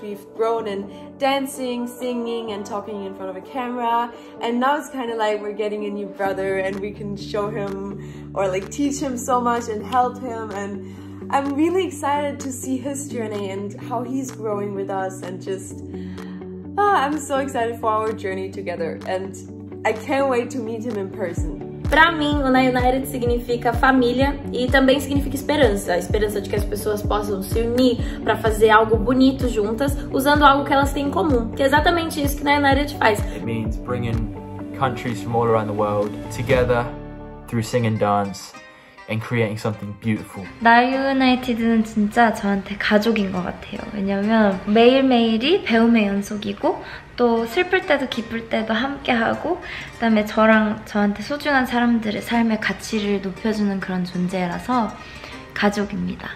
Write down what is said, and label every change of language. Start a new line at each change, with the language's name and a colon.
English: We've grown in dancing, singing and talking in front of a camera, and now it's kind of like we're getting a new brother and we can show him or like teach him so much and help him. And I'm really excited to see his journey and how he's growing with us, and just I'm so excited for our journey together, and I can't wait to meet him in person.
Portuguese: Pra mim, o United significa família e também significa esperança. A esperança de que as pessoas possam se unir para fazer algo bonito juntas, usando algo que elas têm em comum. Que é exatamente isso que o United faz.
English: It means bringing countries from all around the world together through singing dance and creating something beautiful.
Korean: 나 United는 진짜 저한테 가족인 것 같아요. 왜냐면 매일매일이 배움의 연속이고, 또 슬플 때도 기쁠 때도 함께하고, 그다음에 저랑 저한테 소중한 사람들의 삶의 가치를 높여주는 그런 존재라서 가족입니다.